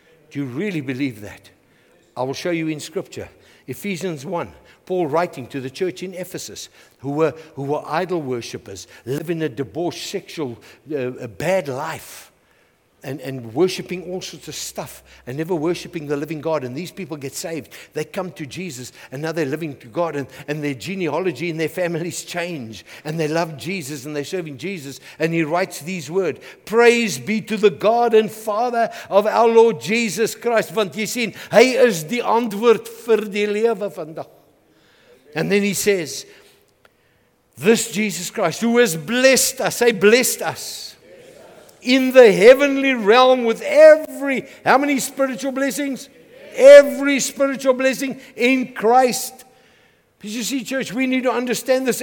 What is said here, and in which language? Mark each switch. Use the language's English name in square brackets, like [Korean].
[English] Do you really believe that? I will show you in Scripture. Ephesians 1, Paul writing to the church in Ephesus, who were idol worshippers, living a debauched sexual, a bad life, and worshipping all sorts of stuff, and never worshipping the living God. And these people get saved. They come to Jesus, and now they're living to God, and their genealogy and their families change, and they love Jesus, and they're serving Jesus. And he writes these words, praise be to the God and Father of our Lord Jesus Christ. [Afrikaans] Want jy sien, hy is die antwoord vir die lewe vandag. [English] And then he says, this Jesus Christ, who has blessed us, say blessed us, in the heavenly realm with every, how many spiritual blessings? Every spiritual blessing in Christ. Because you see, church, we need to understand this.